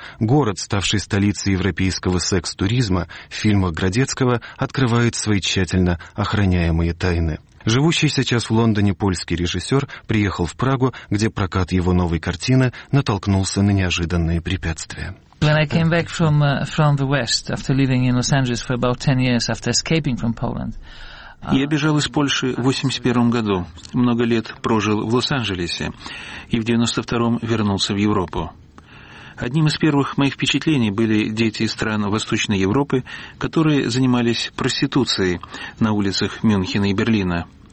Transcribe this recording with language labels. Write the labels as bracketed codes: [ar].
[ru] Город, ставший столицей европейского секс-туризма, в фильмах Градецкого открывает свои тщательно охраняемые тайны. Живущий сейчас в Лондоне польский режиссер приехал в Прагу, где прокат его новой картины натолкнулся на неожиданные препятствия. [en] When I came back from the West, after living in Los Angeles for about 10 years, after escaping from Poland, [ru] я бежал из Польши в 81-м году, много лет прожил в Лос-Анджелесе и в 92-м вернулся в Европу. Одним из первых моих впечатлений были дети из стран Восточной Европы, которые занимались проституцией на улицах Мюнхена и Берлина.